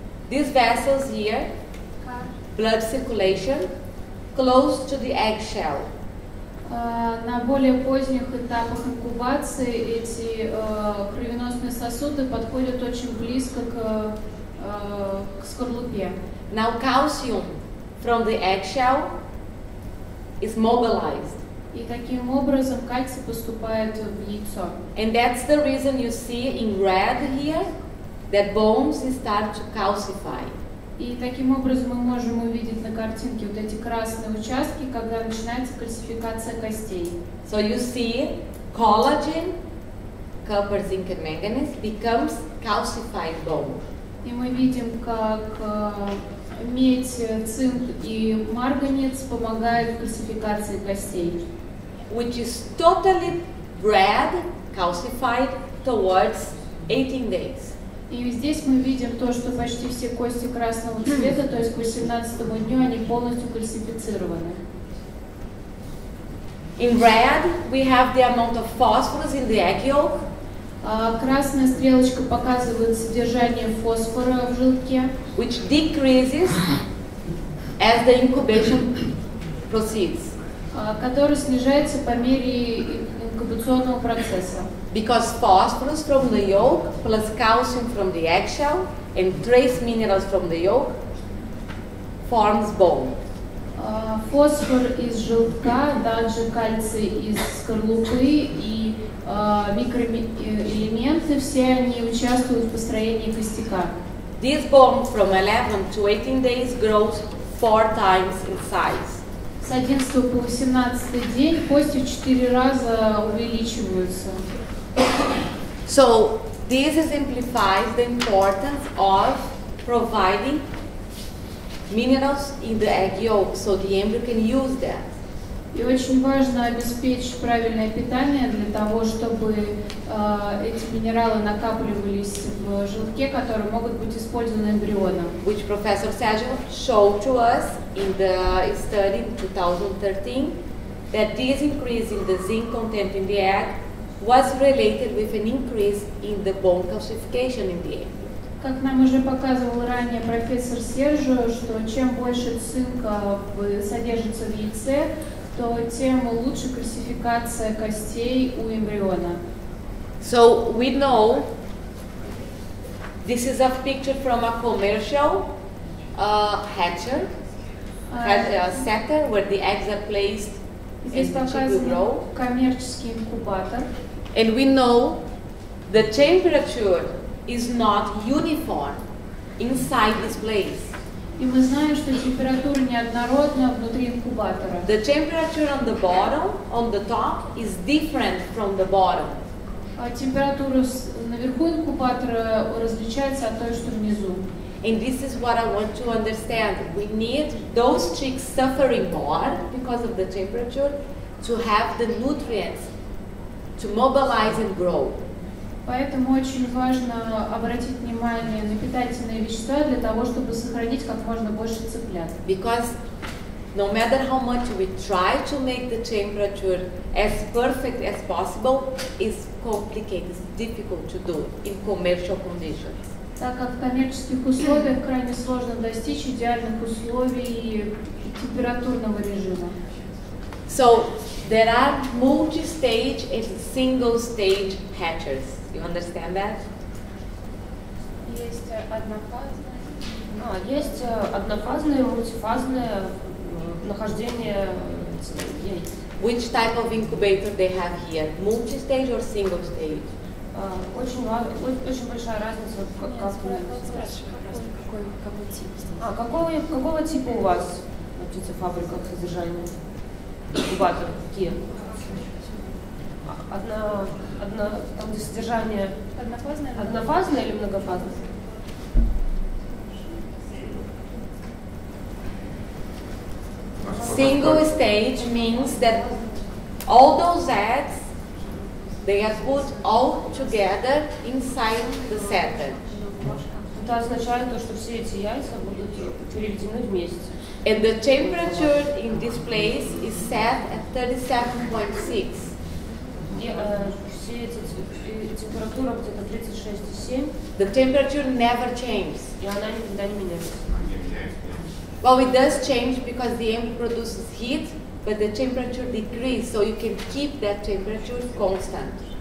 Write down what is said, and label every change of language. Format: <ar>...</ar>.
<en>These vessels here, blood circulation, close to the eggshell.</en> <ru>На более поздних этапах инкубации эти кровеносные сосуды подходят очень близко к скорлупе.</ru> <en>Now calcium from the eggshell is mobilized.</en> <ru>И таким образом кальций поступает в яйцо.</ru> <en>And that's the reason you see in red here that bones start to calcify.</en> <ru>И таким образом мы можем увидеть на картинке вот эти красные участки, когда начинается кальцификация костей.</ru> <en>So you see collagen, copper, zinc, and manganese becomes calcified bone.</en> <ru>И мы видим, как медь, цинк и марганец помогают в кальцификации костей.</ru> <en>Which is totally red, calcified towards 18 days.</en> <ru>И здесь мы видим то, что почти все кости красного цвета, то есть к 18-му дню они полностью кальцифицированы.</ru> <en>In red we have the amount of phosphorus in the egg yolk.</en> <ru>Красная стрелочка показывает содержание фосфора в желтке,</ru> <en>which decreases as the incubation proceeds.</en> <ru>Который снижается по мере инкубационного процесса.</ru> <en>Because phosphorus from the yolk plus calcium from the eggshell and trace minerals from the yolk forms bone.</en> <ru>Фосфор из желтка, также кальций из скорлупы и микроэлементы, все они участвуют в построении костяка.</ru> <en>This bone from 11 to 18 days grows 4 times in size.</en> <ru>С 11 по 18 день кости в 4 раза увеличиваются.</ru> <en>So this exemplifies the importance of providing minerals in the egg yolk so the embryo can use that.</en> <ru>И очень важно обеспечить правильное питание для того, чтобы эти минералы накапливались в желтке, которые могут быть использованы эмбрионом.</ru> <en>Which Professor Sajov showed to us in the study in 2013 that this increase in the zinc content in the egg was related with an increase in the bone calcification in the egg.</en> <ru>Как нам уже показывал ранее профессор Сержо, что чем больше цинка содержится в яйце, то тем лучше кальцификация костей у эмбриона.</ru> <en>So we know this is a picture from a commercial hatcher, setter, where the eggs are placed and the chicks will grow. And we know the temperature is not uniform inside this place.</en> <ru>И мы знаем, что температура неоднородна внутри инкубатора.</ru> <en>The temperature on the bottom, on the top, is different from the bottom.</en> <ru>Температура наверху инкубатора различается от той, что внизу.</ru> <en>And this is what I want to understand. We need those chicks suffering more because of the temperature to have the nutrients to mobilize and grow.</en> <ru>Поэтому очень важно обратить внимание на питательные вещества для того, чтобы сохранить как можно больше цыплят.</ru> <en>Because no matter how much we try to make the temperature as perfect as possible, it's complicated, it's difficult to do in commercial conditions.</en> <ru>Так как в коммерческих условиях крайне сложно достичь идеальных условий температурного режима.</ru> <en>So there are multi-stage and single-stage hatchers. You understand that?</en> <ru>Есть однофазные. Есть однофазные, мультифазные нахождение яиц.</ru> <en>Which type of incubator they have here? Multi-stage or single-stage?</en> <ru>Очень большая разница, какого типа у вас на птицефабриках содержания инкубатор, какие? Там где содержание однофазное или многофазное?</ru> <en>Single stage means that all those eggs they are put all together inside the center.</en> <ru>Это означает то, что все эти яйца будут переведены вместе.</ru> <en>And the temperature in this place is set at 37.6.</en> <ru>Все эти температура где-то 36.7.</ru> <en>The temperature never changes.</en> <ru>И она никогда не меняется.</ru> <en>Well, it does change because the embryo produces heat, but the temperature decreases, so you can keep that temperature constant.</en>